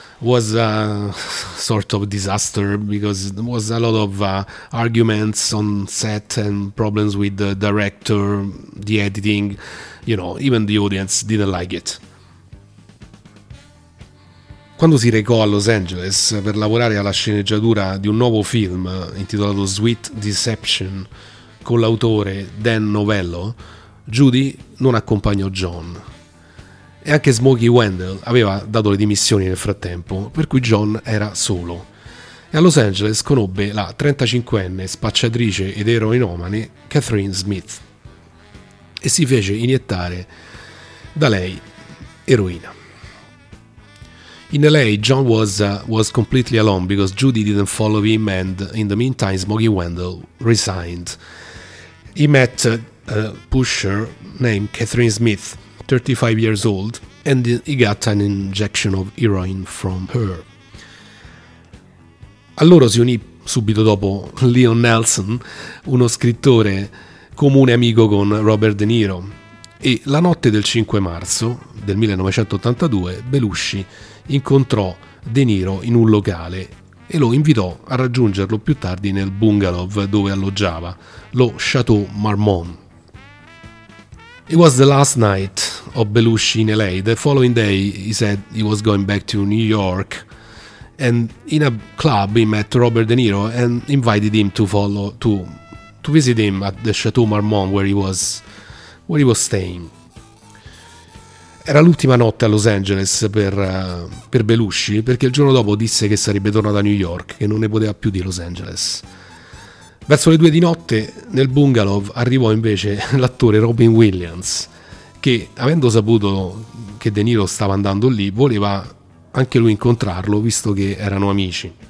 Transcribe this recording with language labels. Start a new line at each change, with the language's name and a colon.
English: was a sort of disaster because there was a lot of arguments on set and problems with the director, the editing, you know, even the audience didn't like it.
Italian: Quando si recò a Los Angeles per lavorare alla sceneggiatura di un nuovo film intitolato Sweet Deception con l'autore Dan Novello, Judy non accompagnò John. E anche Smokey Wendell aveva dato le dimissioni nel frattempo, per cui John era solo. E a Los Angeles conobbe la 35enne spacciatrice ed eroinomane Catherine Smith e si fece iniettare da lei eroina.
English: In LA, John was completely alone because Judy didn't follow him, and in the meantime, Smokey Wendell resigned. He met a pusher named Catherine Smith, 35 years old, and he got an injection of heroin from her.
Italian: A loro si unì subito dopo Leon Nelson, uno scrittore comune amico con Robert De Niro, e la notte del 5 marzo del 1982 Belushi incontrò De Niro in un locale e lo invitò a raggiungerlo più tardi nel bungalow dove alloggiava, lo Chateau Marmont.
English: It was the last night of Belushi in LA. The following day he said he was going back to New York, and in a club he met Robert De Niro and invited him to visit him at the Chateau Marmont where he was staying.
Italian: Era l'ultima notte a Los Angeles per Belushi, perché il giorno dopo disse che sarebbe tornato a New York, che non ne poteva più di Los Angeles. Verso le 2 di notte nel bungalow arrivò invece l'attore Robin Williams, che avendo saputo che De Niro stava andando lì voleva anche lui incontrarlo visto che erano amici.